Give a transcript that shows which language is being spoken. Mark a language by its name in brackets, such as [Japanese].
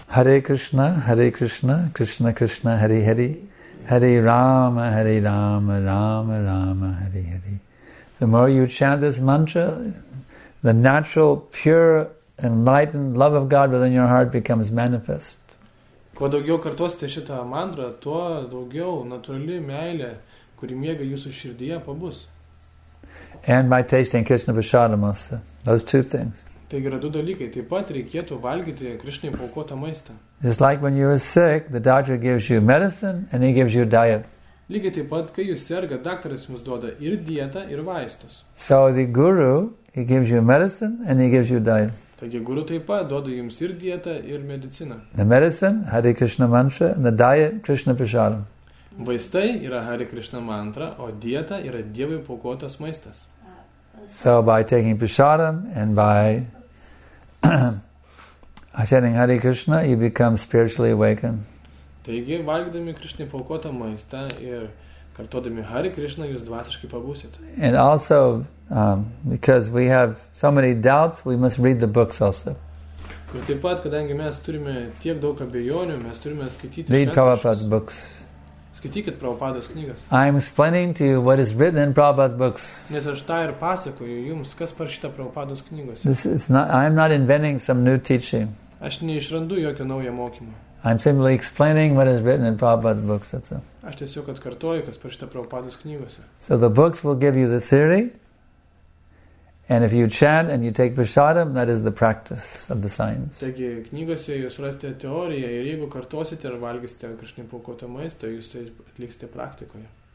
[Sanskrit] Hare Krishna, Krishna Krishna, Hari Hari, Hari Rama, Hari Rama, Rama Rama, Hari Hari. [English] The more you chant this mantra, the natural, pure, enlightened love of God within your heart becomes manifest. [Lithuanian] Kuo daugiau kartuosite šitą mantrą, tuo daugiau natūrali meilė, kuri mėga jūsų širdyje, pabus. [English] And my tasting Krishna prasadam also. Those two things. [Lithuanian] Tai yra du dalykai. Taip pat reikėtų valgyti Krishnai paukotą maistą. [English] Just like when you are sick, the doctor gives you medicine and he gives you diet. [Lithuanian] Lygiai taip pat, kai jūs serga, daktaras jums duoda ir dietą, ir vaistus. [English] So the guru, he gives you medicine and he gives you diet. [Lithuanian] Taigi guru taip pat duoda jums ir dietą, ir mediciną. [English] The medicine, Hare Krishna mantra, and the diet, Krishna prasadam. [Lithuanian] Vaistai yra Hare Krishna mantra, o dieta yra Dievui paukotas maistas. [English] So by taking prasadam and by chanting Hare Krishna, you become spiritually awakened. [Lithuanian] Taigi, valgydami Krishnai paukotą maistą ir kartodami Hare Krishna, jūs dvasiškai pabūsit. [English] And also, because we have so many doubts, we must read the books also. [Lithuanian] Ir taip pat, kadangi mes turime tiek daug abejonių, mes turime skaityti [English] Read Prabhupada's books. [Lithuanian] Skaitykit Prabhupados knygas. [English] I am explaining to you what is written in Prabhupada's books. [Lithuanian] Nes aš tą ir pasakoju jums, kas parašyta Prabhupados knygose. [English] I am not inventing some new teaching. [Lithuanian] Aš neišrandu jokio naujo mokymo. [English] I'm simply explaining what is written in Prabhupada's books. That's all. [Lithuanian] Aš tiesiog atkartoju, kas parašyta Prabhupados knygose. [English] So the books will give you the theory, and if you chant and you take prasadam, that is the practice of the science. [Lithuanian] Taigi, knygose jūs rasite teoriją, ir jeigu kartosite ir valgysite Krishna paukotą maistą, jūs tai atliksite praktikoje.